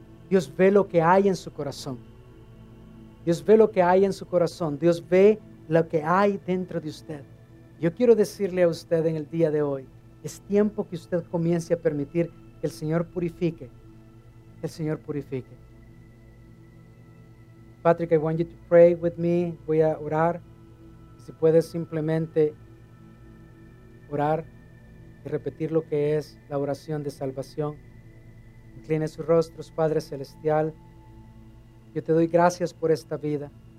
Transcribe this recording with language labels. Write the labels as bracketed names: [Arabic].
[Spanish] Dios ve lo que hay en su corazón. Dios ve lo que hay en su corazón. Dios ve lo que hay dentro de usted. Yo quiero decirle a usted en el día de hoy, es tiempo que usted comience a permitir que el Señor purifique. Que el Señor purifique. [English] Patrick, I want you to pray with me. [Spanish] Voy a orar. Si puedes simplemente orar y repetir lo que es la oración de salvación. Incline sus rostros, Padre Celestial. Yo te doy gracias por esta vida.